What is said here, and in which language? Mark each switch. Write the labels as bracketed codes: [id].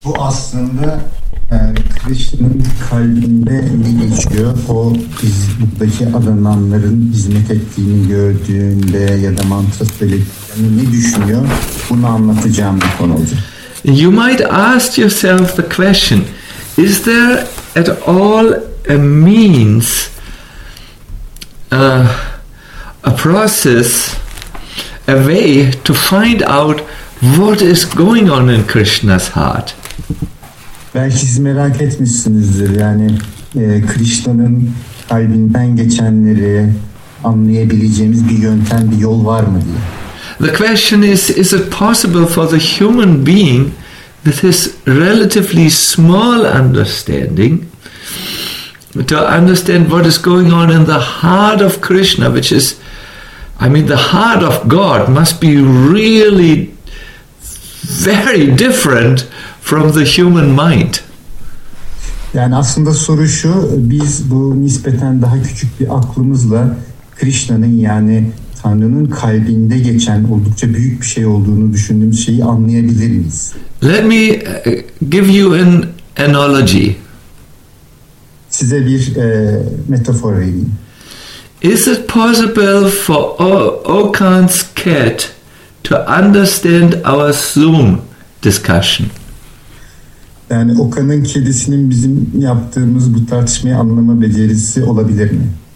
[tr] Bu aslında Krishna'nın kalbinde geçiyor. O buradaki adananların hizmet ettiğini gördüğünde ya da mantra söylediğini ne düşünüyor? Bunu anlatacağım bir konu olacak. [en] You might ask yourself the question, is there at all a means, a process, a way to find out what is going on in Krishna's heart? [tr] Belki siz merak etmişsinizdir, yani Krishna'nın kalbinden geçenleri anlayabileceğimiz bir yöntem, bir yol var mı diye. [en] The question is it possible for the human being with his relatively small understanding to understand what is going on in the heart of Krishna, which is, I mean, the heart of God must be really very different from the human mind. [tr] Yani aslında soru şu, biz bu nispeten daha küçük bir aklımızla Krishna'nın, yani Tanrı'nın kalbinde geçen oldukça büyük bir şey olduğunu düşündüğümüz şeyi anlayabilir miyiz? [en] Let me give you an analogy. [tr] Size bir metafor vereyim. [en] Is it possible for Okan's cat to understand our Zoom discussion? [tr] Yani Okan'ın kedisinin bizim yaptığımız bu tartışmayı anlama becerisi olabilir mi?